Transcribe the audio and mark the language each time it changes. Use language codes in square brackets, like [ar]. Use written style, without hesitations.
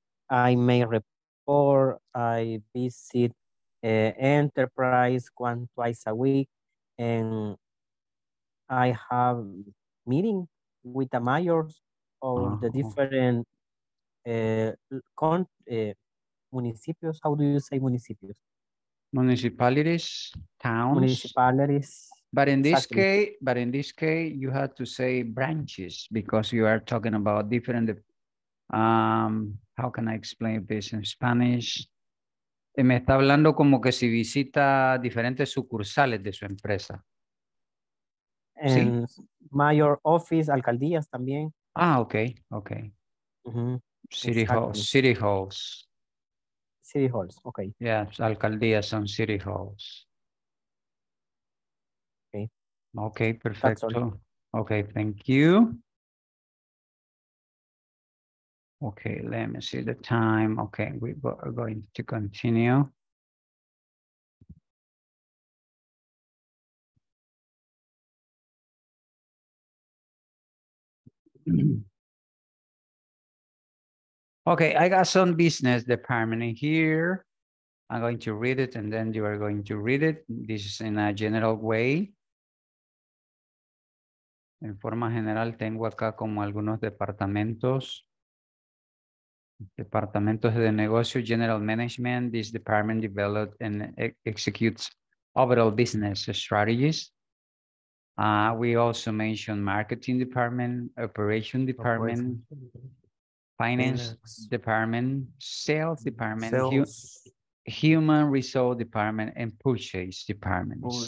[en] I may report, I visit enterprise one twice a week, and I have meeting with the mayors of the different municipios. How do you say municipios? Municipalities, towns. Municipalities. But in this case, you have to say branches because you are talking about different. How can I explain this in Spanish? [es] Me está hablando como que si visita diferentes sucursales de su empresa. [en] And ¿sí? Mayor office, [es] alcaldías también. Ah, okay, okay. Mm-hmm. [en] City halls. City halls, okay. Yes, [es] alcaldías son [en] city halls. Okay, perfecto. Okay, thank you. Okay, let me see the time. Okay, we are going to continue. Okay, I got some business department in here. I'm going to read it and then you are going to read it. This is in a general way. [es] En forma general, tengo acá como algunos departamentos. Departamentos de negocio, [en] general management. This department develops and executes overall business strategies. We also mentioned marketing department, operation department, finance department, sales department, human resource department, and purchase department.